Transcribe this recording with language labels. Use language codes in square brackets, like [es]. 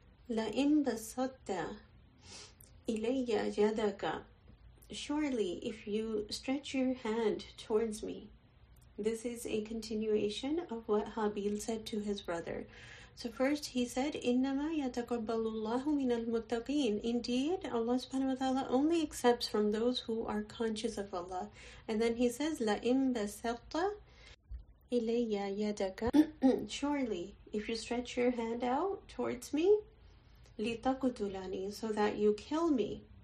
[ar] لَإِن بَسَطَّ إِلَيَّ يَدَكَ. [en] Surely, if you stretch your hand towards me. This is a continuation of what Habil said to his brother. So first he said, [ar] إِنَّمَا يَتَقَبَّلُ اللَّهُ مِنَ الْمُتَّقِينَ. [en] Indeed, Allah subhanahu wa ta'ala only accepts from those who are conscious of Allah. And then he says, [ar] لَإِن بَسَطَّ إِلَيَّ يَدَكَ. [en] Surely, if you stretch your hand out towards me, [ar] لِتَقُتُلَنِي, [en] so that you kill me.